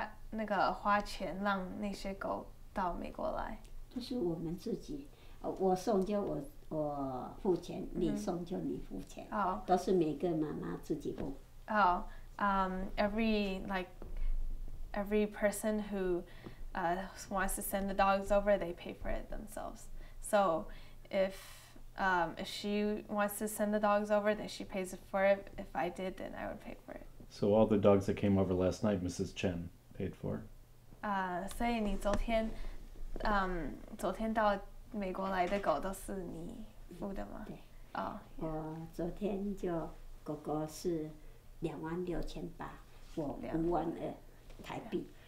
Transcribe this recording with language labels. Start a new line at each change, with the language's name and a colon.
Chinese: 那个花钱让那些狗到美国来，就是我们自己，我送就我付钱，你送就你付钱，都是每个妈妈自己付。
English: Every person who wants to send the dogs over, they pay for it themselves. So if she wants to send the dogs over, then she pays for it. If I did, then I would pay for it. So all the dogs that came over last night, Mrs. Chen paid for.
Chinese: 所以你昨天，昨天到美国来的狗都是你付的吗？对。哦。我昨天就狗狗是26,800，我52,000台币。